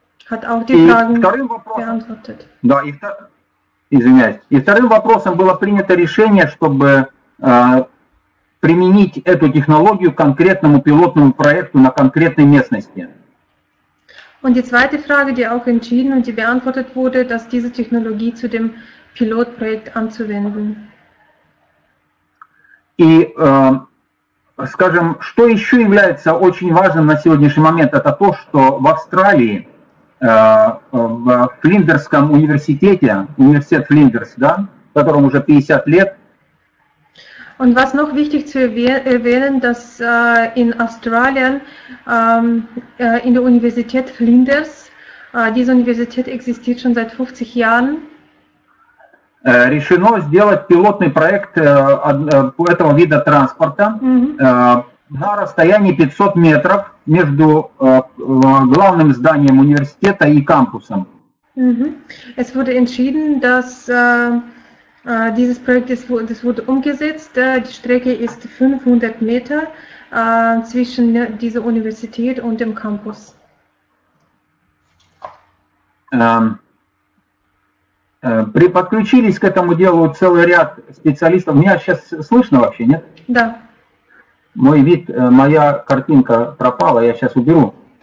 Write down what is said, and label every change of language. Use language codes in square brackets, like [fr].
[de] Hat auch die Fragen beantwortet. [ru] Да, извиняюсь. И вторым вопросом было принято решение, чтобы применить эту технологию к конкретному пилотному проекту на конкретной местности. [de] Und die zweite Frage, die auch entschieden und die beantwortet wurde, dass diese Technologie zu dem Pilotprojekt anzuwenden. [ru] И скажем, что еще является очень важным на сегодняшний момент, это то, что в Австралии, в Флиндерском университете, университет Флиндерс, да, которому уже 50 лет. [de] Und was noch wichtig zu erwähnen, dass in Australien, in der Universität Flinders, diese Universität existiert schon seit 50 Jahren. [ru] решено сделать пилотный проект этого вида транспорта на расстоянии 500 метров между главным зданием университета и кампусом. [de] Es wurde entschieden, dass dieses Projekt das wurde umgesetzt. Die Strecke ist 500 Meter zwischen dieser Universität und dem Campus. [ru] Приподключились к этому делу целый ряд специалистов. Меня сейчас слышно вообще, нет? Да. Мой вид, моя картинка пропала, я сейчас уберу.